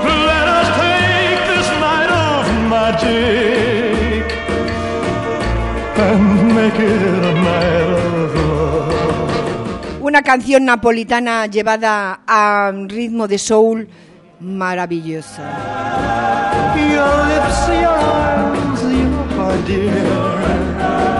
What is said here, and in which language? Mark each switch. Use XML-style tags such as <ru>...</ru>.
<en>Let us take this night of magic and make it a night of love.</en> <es>Una canción napolitana llevada a ritmo de soul maravillosa.</es> <en>Your lips, your arms, you, my dear.</en>